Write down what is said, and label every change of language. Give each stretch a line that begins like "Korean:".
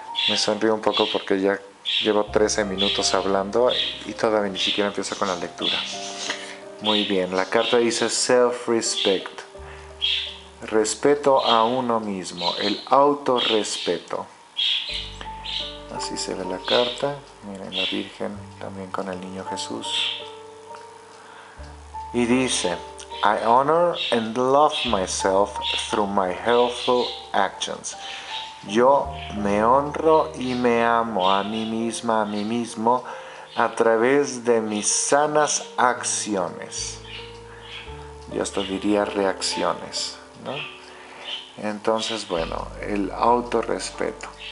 Spanish: Me sonrío un poco porque ya llevo 13 minutos hablando y todavía ni siquiera empiezo con la lectura. Muy bien, la carta dice self-respect. Respeto a uno mismo, el autorrespeto. Así se ve la carta. Miren la Virgen también con el niño Jesús. Y dice:
English: I honor and love myself through my healthful actions.
Spanish: Yo me honro y me amo a mí misma, a mí mismo, a través de mis sanas acciones. Yo hasta diría reacciones, ¿no? Entonces, bueno, el autorrespeto.